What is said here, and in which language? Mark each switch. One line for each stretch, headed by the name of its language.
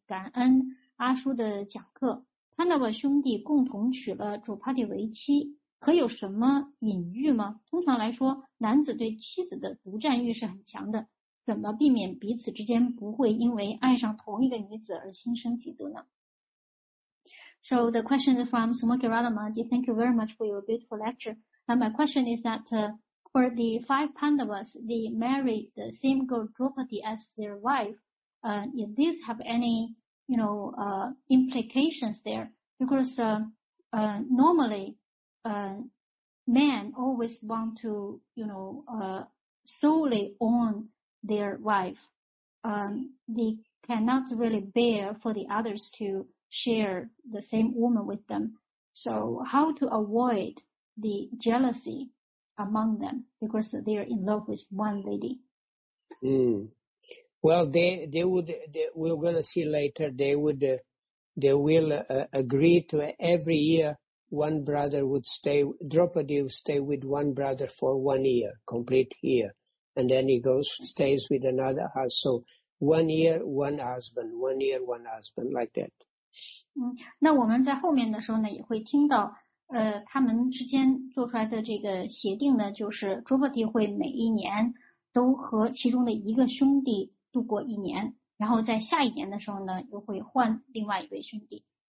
Chinese: 感恩阿叔的讲课。Panava 兄弟共同娶了 Draupadi 为妻，可有什么隐喻吗？通常来说，男子对妻子的独占欲是很强的。怎么避免彼此之间不会因为爱上同一个女子而心生嫉妒呢？
English: So the question is from Smoky Radha Mataji. Thank you very much for your beautiful lecture. And my question is that for the five Pandavas, they married the same girl Draupadi as their wife. Does this have any, you know, implications there? Because normally, men always want to, you know, solely own their wife. They cannot really bear for the others to share the same woman with them. So how to avoid the jealousy among them because they are in love with one lady? Well, we're going to see later, they will agree to every year one brother would stay, Draupadi would stay with one brother for 1 year, complete year. And then he goes, stays with another husband. So 1 year, one husband. 1 year, one husband, like that.
Chinese: 那我们在后面的时候呢，也会听到，他们之间做出来的这个协定呢，就是 Draupadi 会每一年都和其中的一个兄弟度过一年，然后在下一年的时候呢，又会换另外一位兄弟。